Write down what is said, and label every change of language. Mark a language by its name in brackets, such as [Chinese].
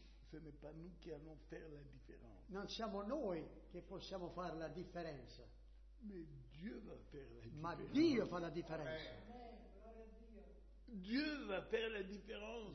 [French] Ce n'est pas nous qui allons faire la différence. [Italian] Non siamo noi che possiamo fare la differenza. [French] Mais Dieu va faire la [Italian] Ma Dio fa la differenza. [French] Dieu va faire la différence.